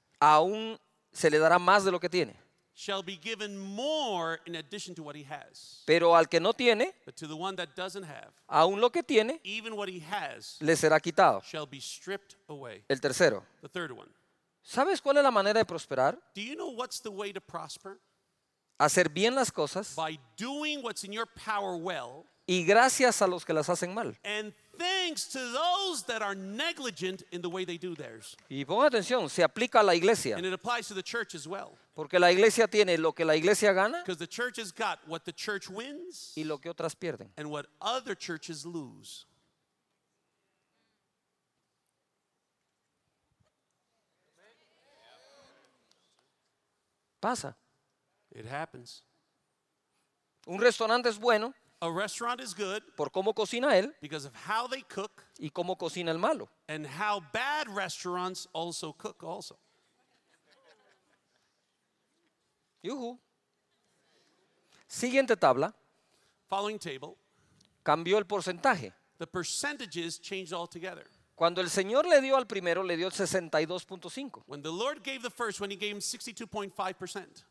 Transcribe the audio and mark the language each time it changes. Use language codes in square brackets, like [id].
[es] aún se le dará más de lo que tiene. [en] Shall be given more in addition to what he has. [es] Pero al que no tiene, [en] but to the one that doesn't have, [es] aún lo que tiene, [en] even what he has, [es] le será quitado. [en] Shall be stripped away. [es] El tercero. [en] The third one. [es] ¿Sabes cuál es la manera de prosperar? [en] Do you know what's the way to prosper? [es] Hacer bien las cosas. [en] By doing what's in your power well. [es] Y gracias a los que las hacen mal. [en] And thanks to those that are negligent in the way they do theirs. [es] Y ponga atención, se aplica a la iglesia. [en] And it applies to the church as well. [es] Porque la iglesia tiene lo que la iglesia gana. [en] Because the church has got what the church wins. [es] Y lo que otras pierden. [en] And what other churches lose. [es] Pasa. [en] It happens. [es] Un restaurante es bueno. [en] A restaurant is good. [es] Por cómo cocina él. [en] Because of how they cook. [es] Y cómo cocina el malo. [en] And how bad restaurants also cook also. [es] Yuhu. Siguiente tabla. [en] Following table. [es] Cambió el porcentaje. [en] The percentages changed altogether. [es] Cuando el Señor le dio al primero, le dio 62.5. [en] When the Lord gave the first one, he gave him 62.5%.